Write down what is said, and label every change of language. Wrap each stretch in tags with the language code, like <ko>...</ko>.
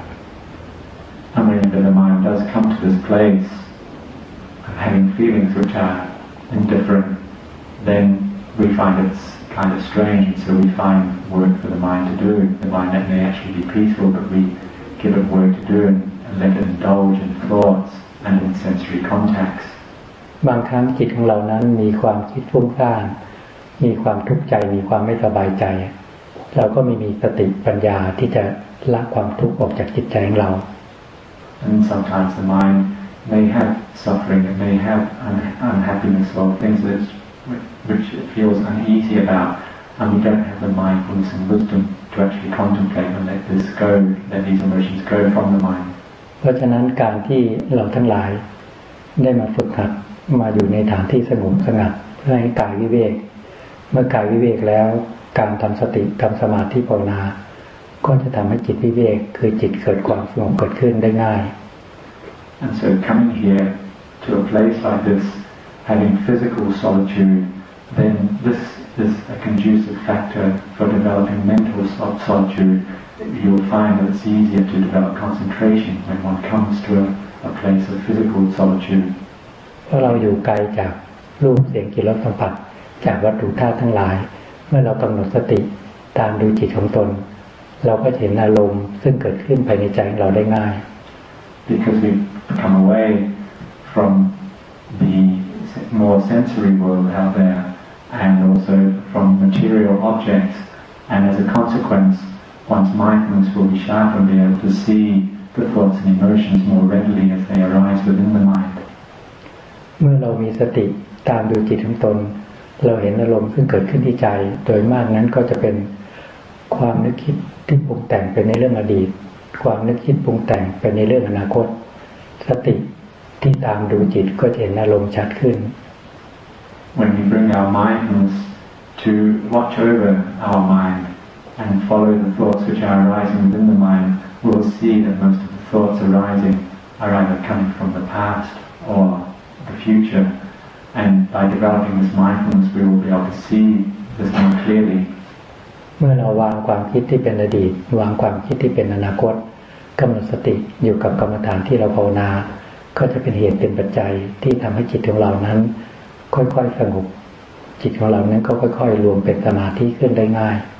<en>ๆ I mean that the mind does come to this place of having feelings which are indifferent then we find it's kind of strange so we find work for the mind to do the mind that may actually be peaceful but we give it work to do and let it indulge in thoughts and in sensory contacts</en> <th>บางครั้งจิตของเรานั้นมีความคิดฟุ้งซ่านมีความทุกข์ใจมีความไม่สบายใจเราก็มีสติปัญญาที่จะละความทุกข์ออกจากจิตใจของเรา</th> <en>And sometimes the mind may have suffering it may have unhappiness or things which it feels uneasy about and we don't have the mindfulness and wisdom to actually contemplate and let this go let these emotions go from the mind</en> <th>เพราะฉะนั้นการที่เราทั้งหลายได้มาฝึกหัดมาอยู่ในฐานที่สงบสงัดเพื่อให้กายวิเวกเมื่อกายวิเวกแล้วการทำสติทำสมาธิภาวนาก็จะทำให้จิตวิเวกคือจิตเกิดความสงบเกิดขึ้นได้ง่าย</th> <en>And so coming here to a place like this having physical solitude then this is a conducive factor for developing mental solitude you'll find that it's easier to develop concentration when one comes to a place of physical solitude</en> <th>เพราะเราอยู่ไกลจากรูปเสียงกลิ่นรสสัมผัสจากวัตถุธาตุทั้งหลายเมื่อเรากำหนดสติตามดูจิตของตนเราก็เห็นอารมณ์ซึ่งเกิดขึ้นภายในใจเราได้ง่าย</th> <en>Because we come away from the more sensory world out there and also from material objects and as a consequence one's mindfulness will be sharper and be able to see the thoughts and emotions more readily as they arise within the mind.</en> <th>เมื่อเรามีสติตามดูจิตของตนเราเห็นอารมณ์ซึ่งเกิดขึ้นที่ใจโดยมากนั้นก็จะเป็นความนึกคิดที่ปรุงแต่งไปในเรื่องอดีตความนึกคิดปรุงแต่งไปในเรื่องอนาคตสติที่ตามดูจิตก็จะเห็นอารมณ์ชัดขึ้น</th> <en>When we bring our mindfulness to watch over our mind and follow the thoughts which are arising within the mind we'll see that most of the thoughts arising are either coming from the past or the future and by developing this mindfulness we will be able to see this more clearly</en> <th>เมื่อเราวางความคิดที่เป็นอดีตวางความคิดที่เป็นอนาคตกำหนดสติอยู่กับกรรมฐานที่เราภาวนาก็จะเป็นเหตุเป็นปัจจัยที่ทำให้จิตของเรานั้นค่อยๆสงบจิตของเรานั้นก็ค่อยๆรวมเป็นสมาธิขึ้นได้ง่าย</th>